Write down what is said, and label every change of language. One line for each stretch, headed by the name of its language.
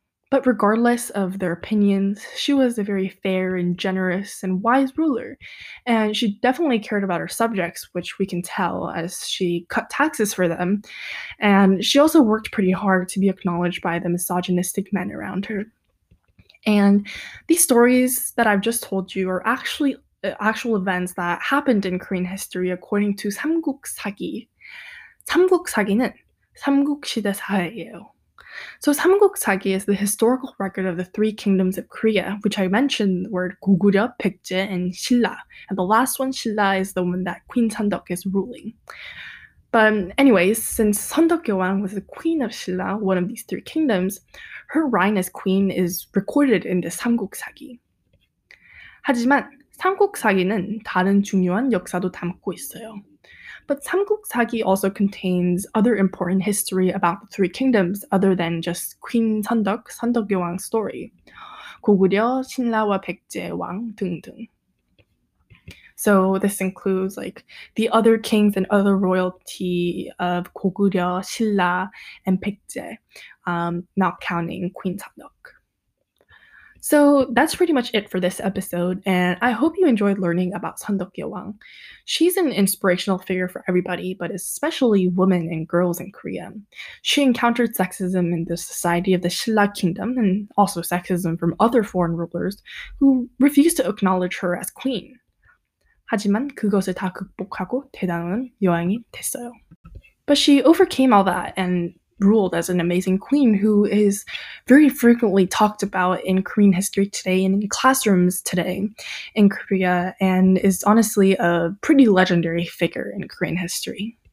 English: But regardless of their opinions, she was a very fair and generous and wise ruler, and she definitely cared about her subjects, which we can tell as she cut taxes for them, and she also worked pretty hard to be acknowledged by the misogynistic men around her. And these stories that I've just told you are actual events that happened in Korean history according to 삼국사기.
Korean: 삼국사기는 삼국시대 사회예요.
English: So 삼국사기 is the historical record of the three kingdoms of Korea, which I mentioned were Goguryeo, Baekje, and Silla. And the last one, Silla, is the one that Queen Sandok is ruling. But anyways, since 선덕여왕 was the queen of Silla, one of these three kingdoms, her reign as queen is recorded in the 삼국사기.
Korean: 하지만 삼국사기는 다른 중요한 역사도 담고 있어요.
English: But Samguksagi also contains other important history about the Three Kingdoms other than just Queen Sandeok, Sandeok Yeowang's story,
Korean: 고구려, 신라와 백제왕 등등.
English: So this includes like the other kings and other royalty of 고구려, 신라, and 백제, not counting Queen Sandeok. So that's pretty much it for this episode, and I hope you enjoyed learning about Sandeok Yeowang. She's an inspirational figure for everybody, but especially women and girls in Korea. She encountered sexism in the society of the Silla Kingdom, and also sexism from other foreign rulers who refused to acknowledge her as queen.
Korean: 하지만 그것을 다 극복하고 대단한 여왕이 됐어요.
English: But she overcame all that and ruled as an amazing queen who is very frequently talked about in Korean history today and in classrooms today in Korea, and is honestly a pretty legendary figure in Korean history.